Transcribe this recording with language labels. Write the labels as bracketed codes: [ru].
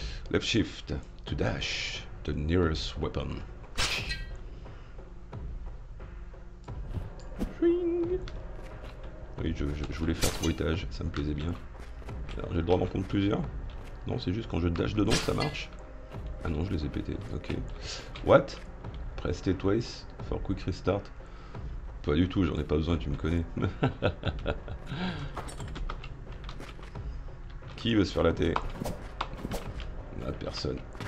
[en] Left shift to dash the nearest weapon. [fr] Oui, je voulais faire trois étages, ça me plaisait bien. Alors, j'ai le droit d'en prendre plusieurs? Non, c'est juste quand je dash dedans que ça marche. Ah non, je les ai pétés. Ok. [en] What? Press it twice for quick restart. [fr] Pas du tout, j'en ai pas besoin, tu me connais. Qui veut se faire la télé? Ah, personne.